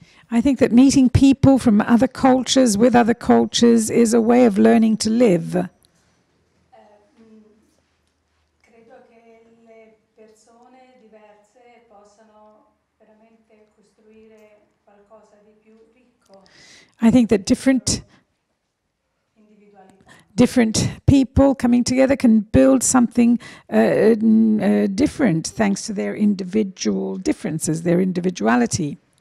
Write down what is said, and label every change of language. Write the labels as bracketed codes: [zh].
[en] I think that meeting people from other cultures with other cultures is a way of learning to live. [it] Credo che le persone diverse possano veramente costruire qualcosa di più ricco. [en] I think that different people coming together can build something different thanks to their individual differences, their individuality.